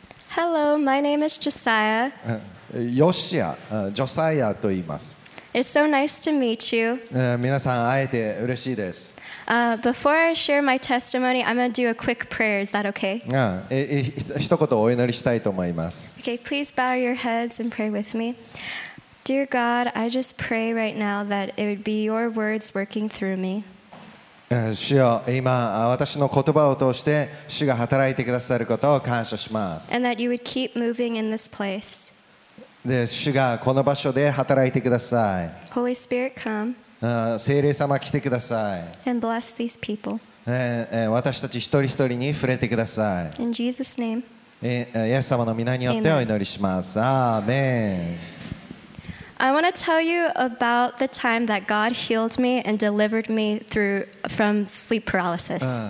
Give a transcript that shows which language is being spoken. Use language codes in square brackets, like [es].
[en] Hello, my name is Josiah. [ja] ヨシア、ジョサイアと言います。 [en] It's so nice to meet you. [ja] 皆さん会えて嬉しいです。 [en] Before I share my testimony, I'm going to do a quick prayer. Is that okay? Okay, please bow your heads and pray with me. Dear God, I just pray right now that it would be your words working through me. [ja] 主よ、今私の言葉を通して主が働いてくださることを感謝します。 [en] And that you would keep moving in this place. [ja] で、主がこの場所で働いてください。 [en] Holy Spirit, come. [ja] 聖霊様来てください。 [en] And bless these people. [ja] 私たち一人一人に触れてください。 [en] In Jesus' name. [ja] イエス様の御名によってお祈りします。アーメン。 [en] I want to tell you about the time that God healed me and delivered me through from sleep paralysis.